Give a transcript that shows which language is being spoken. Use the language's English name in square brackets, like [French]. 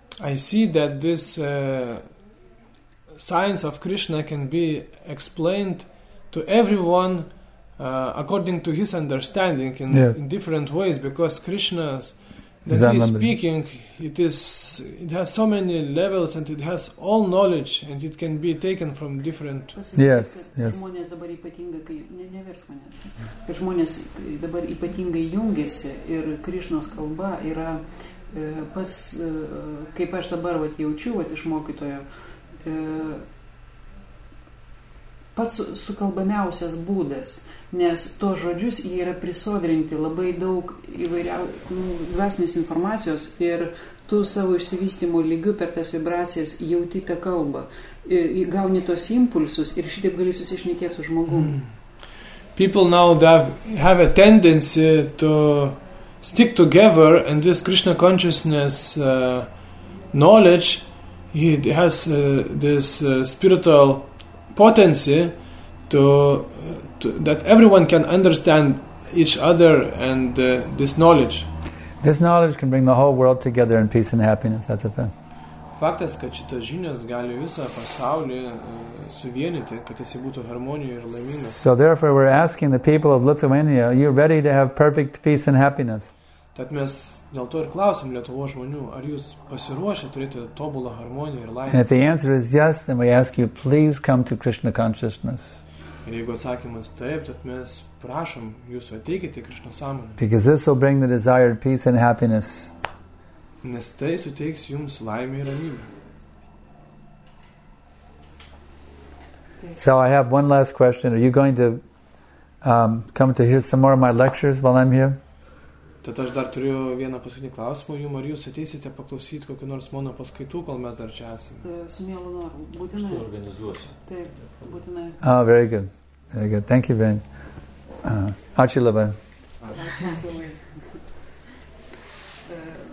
[English] I see that this science of Krishna can be explained to everyone according to his understanding in different ways, because Krishna speaking, it has so many levels and it has all knowledge and it can be taken from different. Yes, yes. [Lithuanian] Žmonės dabar ypatingai, nevers manęs, kad žmonės dabar ypatingai jungiasi ir Krišnos kalba yra pas, kaip aš dabar vat, jaučiu vat, iš mokytojo, pats sukalbamiausias būdas, nes to žodžius jie yra prisodrinti labai daug dvasinės informacijos ir tu savo išsivystymo lygiu per tas vibracijas jauti tą kalbą, gauni tos impulsus ir šitaip gali susišnekėti su žmogum. [English] People now have a tendency to stick together, and this Krishna consciousness knowledge, it has this spiritual potency to that everyone can understand each other and this knowledge. This knowledge can bring the whole world together in peace and happiness. That's a thing. [Lithuanian] Faktas, kad šitas žinios gali visą pasaulį suvienyti, kad jis būtų harmonijoje ir laimingas. [English] So therefore, we're asking the people of Lithuania: are you ready to have perfect peace and happiness? [Lithuanian] Tad mes dėl to ir klausim Lietuvos žmonių, ar jūs pasiruošę turėti tobulą harmoniją ir laimę? [English] And if the answer is yes, then we ask you, please come to Krishna consciousness. [Lithuanian] Ir jeigu atsakymas taip, tad mes prašom jūsų ateikite į Krishna sąmonę. [English] Because this will bring the desired peace and happiness. [Lithuanian] Nes tai suteiks jums laimę ir ramybę. [English] So I have one last question. Are you going to come to hear some more of my lectures while I'm here? [Lithuanian] Tad aš dar turiu vieną paskutinį klausimą jum, ar jūs ateisite paklausyti kokiu nors mono paskaitų, kol mes dar čia esame? Su mielu noru, būtinai. Aš suorganizuosiu. Taip, būtinai. [English] Oh, very good. Very good. Thank you, Ben. [Lithuanian] Ačiū labai. Ačiū jums labai.